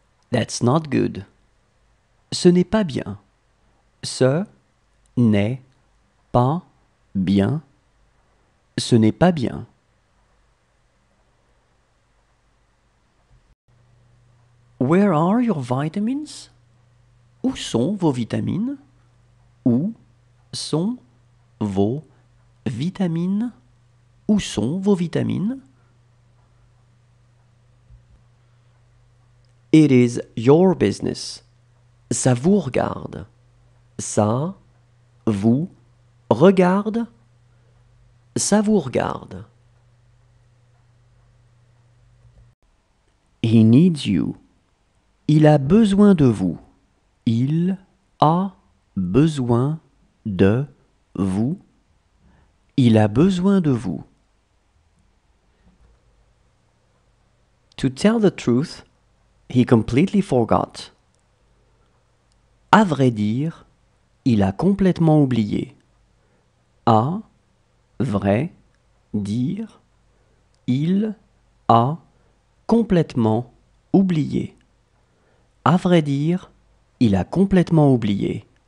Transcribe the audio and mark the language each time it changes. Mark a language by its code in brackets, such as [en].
[en] That's not good. [fr] Ce n'est pas bien. Ce n'est pas bien. Ce n'est pas bien. [en] Where are your vitamins? [fr] Où sont vos vitamines? Où sont vos vitamines? Où sont vos vitamines? [en] It is your business. [fr] Ça vous regarde. Ça vous regarde. Ça vous regarde. [en] He needs you. [fr] Il a besoin de vous. Il a besoin de vous. Il a besoin de vous. [en] To tell the truth, he completely forgot. [fr] À vrai dire, il a complètement oublié. À vrai dire, il a complètement oublié. À vrai dire, il a complètement oublié.